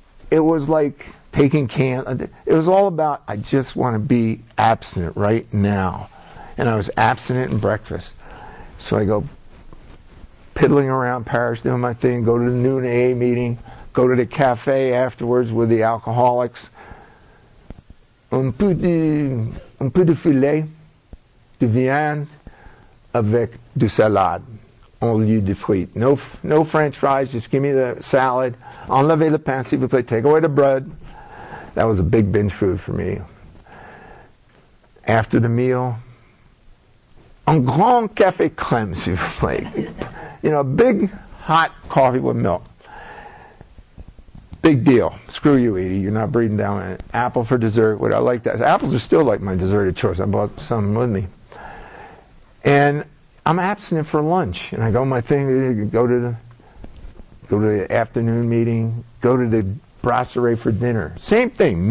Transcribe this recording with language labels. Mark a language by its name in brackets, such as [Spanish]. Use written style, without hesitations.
[English] it was like taking it was all about, I just want to be abstinent right now. And I was abstinent in breakfast. So I go piddling around Paris doing my thing, go to the noon AA meeting, go to the cafe afterwards with the alcoholics. [French] Un peu de filet de viande avec du salade au lieu de frites. [English] No french fries, just give me the salad. [French] Enlevez le pain, s'il vous plaît. [English] Take away the bread. That was a big binge food for me. After the meal, [French] un grand café crème, s'il vous plaît. [English] You know, big hot coffee with milk. Big deal. Screw you, Edie. You're not breathing down it. Apple for dessert. What I like that. Apples are still like my dessert of choice. I bought some with me. And I'm abstinent for lunch. And I go my thing, go to the afternoon meeting, go to the brasserie for dinner. Same thing.